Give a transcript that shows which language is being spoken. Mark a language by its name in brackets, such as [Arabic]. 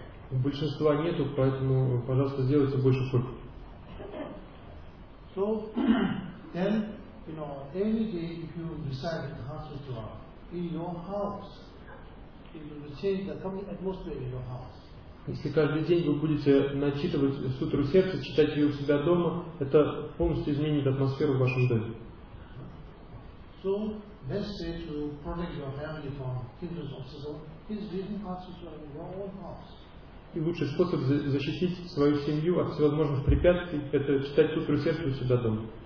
[Russian] Большинства нету, поэтому, пожалуйста, сделайте больше копий. [English] So then, you know, every day if you recite the Heart Sutra in your house, it will change the coming atmosphere in your house. [Russian] Если каждый день вы будете начитывать сутру сердца, читать ее у себя дома, это полностью изменит атмосферу в вашем доме. [English] So let's say to protect your family from hindrance of sutra, please read the Heart Sutra in your own house. [Russian] И лучший способ защитить свою семью от всевозможных препятствий – это читать сутру сердца у себя дома.